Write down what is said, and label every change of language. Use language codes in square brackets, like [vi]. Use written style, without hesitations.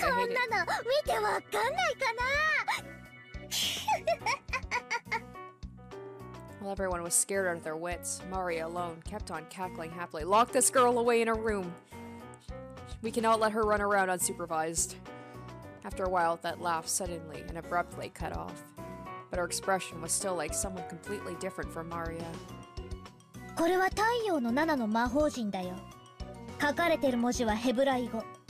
[ja] こんなの見てわかんないかな。 [en] Well, everyone was scared out of their wits. Maria alone kept on cackling happily. Lock this girl away in a room. We cannot let her run around unsupervised. After a while, that laugh suddenly and abruptly cut off. But her expression was still like someone completely different from Maria. [ja] これは太陽のナナの魔法陣だよ。書かれてる文字はヘブライ語。